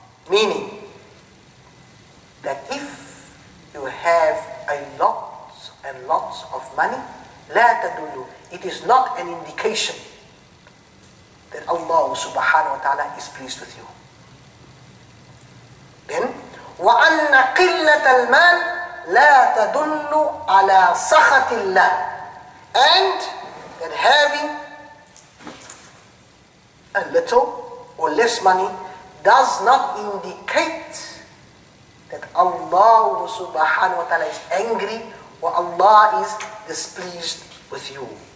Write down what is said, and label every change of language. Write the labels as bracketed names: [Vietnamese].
[English] Meaning that if you have a lots and lots of money, [Arabic] لا تدل, [English] it is not an indication that Allah subhanahu wa ta'ala is pleased with you. [Arabic] Then, وَأَنَّ قِلَّةَ الْمَالِ لَا تَدُلُّ عَلَىٰ سَخَةِ اللَّهِ. [English] And that having a little or less money does not indicate that Allah subhanahu wa ta'ala is angry or Allah is displeased with you.